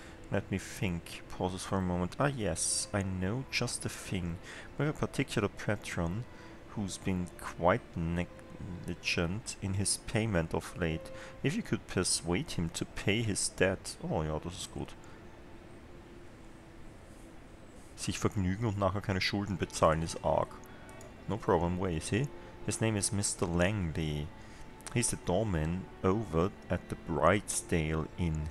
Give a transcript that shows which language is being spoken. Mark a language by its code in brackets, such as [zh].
[en] Let me think. Pauses for a moment. Ah, yes. I know just the thing. We have a particular patron who's been quite negligent in his payment of late. If you could persuade him to pay his debt. [de] Oh ja, das ist gut. Sich vergnügen und nachher keine Schulden bezahlen ist arg. [en] No problem, where is he? His name is Mr. Langley. He's the doorman over at the Brightsdale Inn.